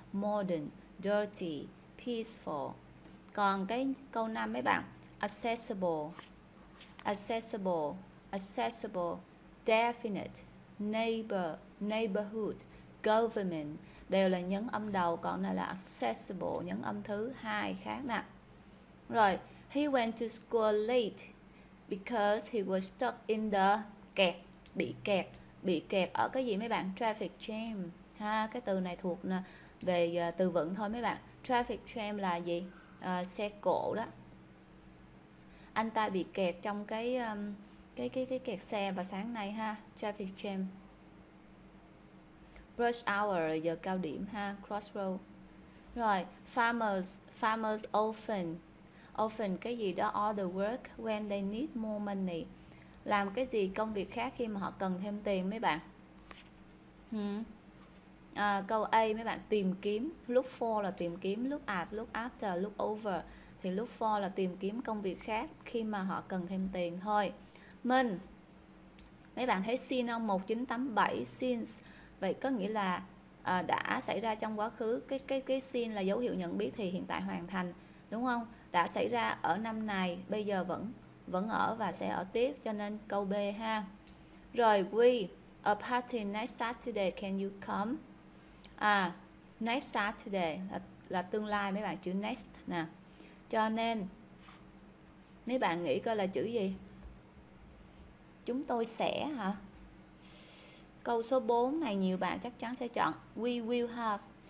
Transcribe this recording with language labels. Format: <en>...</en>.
<en>Modern, dirty, peaceful.</en> <vi>Còn cái câu 5 mấy bạn, accessible. Accessible, accessible, definite, neighbor, neighborhood, government đều là nhấn âm đầu, còn này là accessible, nhấn âm thứ hai khác nè.</vi> <en>Rồi, he went to school late because he was stuck in the</en> <vi>kẹt, bị kẹt ở cái gì mấy bạn?</vi> <en>Traffic jam ha.</en> <vi>Cái từ này thuộc về từ vựng thôi mấy bạn. Traffic jam là gì? Xe cộ đó. Anh ta bị kẹt trong cái kẹt xe vào sáng nay ha.</vi> <en>Traffic jam, rush hour,</en> <vi>giờ cao điểm ha,</vi> <en>crossroad.</en> <vi>Rồi,</vi> <en>farmers often</en> <vi>cái gì đó,</vi> <en>all the work when they need more money,</en> <vi>làm cái gì, công việc khác khi mà họ cần thêm tiền mấy bạn. Câu A mấy bạn, tìm kiếm. Look for là tìm kiếm, look at, look after, look over. Thì look for là tìm kiếm công việc khác khi mà họ cần thêm tiền thôi. Mình, mấy bạn thấy since không? 1987, since. Vậy có nghĩa là đã xảy ra trong quá khứ. Cái since là dấu hiệu nhận biết thì hiện tại hoàn thành, đúng không? Đã xảy ra ở năm này, bây giờ vẫn vẫn ở và sẽ ở tiếp, cho nên câu B ha.</vi> <en>Rồi, we, a party next Saturday, can you come?</en> <vi>Next Saturday là tương lai mấy bạn, chữ next nè. Cho nên mấy bạn nghĩ coi là chữ gì? Chúng tôi sẽ hả? Câu số 4 này nhiều bạn chắc chắn sẽ chọn</vi> <en>we will have.</en>